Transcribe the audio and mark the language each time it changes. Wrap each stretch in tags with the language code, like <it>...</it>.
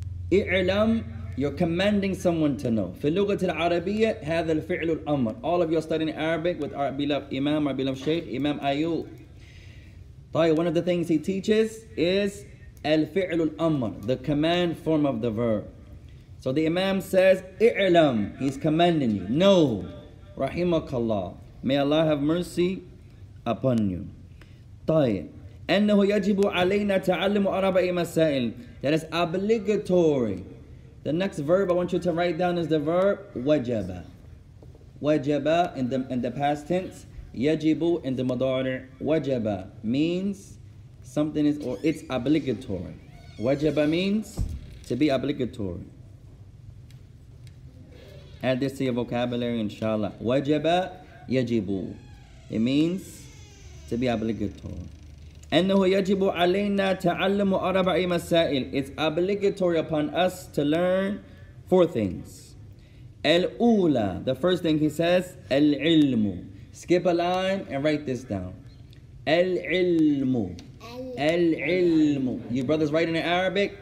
<en>اعلم, you're commanding someone to know.</en> <ar>في اللغة العربية هذا الفعل الأمر.</ar> <en>All of you are studying Arabic with our beloved Imam, our beloved Sheikh, Imam Ayub.</en> <ar>طيب.</ar> <en>One of the things he teaches is</en> <ar>الفعل الأمر,</ar> <en>the command form of the verb. So the Imam says, اعلم, he's commanding you.</en> <ar>No, رحمك الله.</ar> <en>May Allah have mercy upon you.</en> <ar>طيب. أنه يجب علينا تعلم أربع مسائل.</ar> <en>That is obligatory. The next verb I want you to write down is the verb وجب. وجب in the past tense. يجب in the مضارع. وجب means something is, or it's obligatory. وجب means to be obligatory. Add this to your vocabulary, inshallah. وجب يجب. It means to be obligatory.</en> <ar>أنه يجب علينا تعلم أربع مسائل.</ar> <en>It's obligatory upon us to learn four things.</en> <ar>الأولى.</ar> <en>The first thing he says, العلم. Skip a line and write this down.</en> <ar>العلم. العلم.</ar> <en>You brothers writing in Arabic.</en>